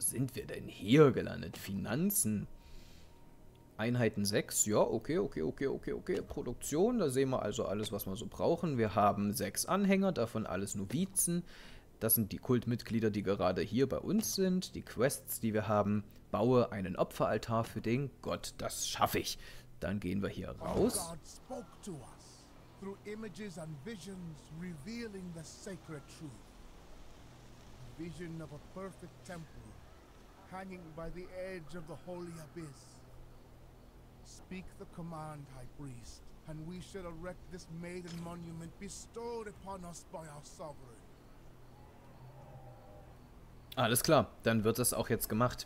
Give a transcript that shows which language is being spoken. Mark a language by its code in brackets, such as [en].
[de] sind wir denn hier gelandet? Finanzen. Einheiten 6, ja, okay. Produktion, da sehen wir also alles, was wir so brauchen. Wir haben 6 Anhänger, davon alles Novizen. Das sind die Kultmitglieder, die gerade hier bei uns sind. Die Quests, die wir haben. Baue einen Opferaltar für den Gott, das schaffe ich. Dann gehen wir hier raus. [en] God spoke to us through images and visions revealing the sacred truth. Vision of a perfect temple hanging by the edge of the holy abyss. Speak the command, High Priest, and we shall erect this maiden monument bestowed upon us by our sovereign. [de] Alles klar, dann wird das auch jetzt gemacht.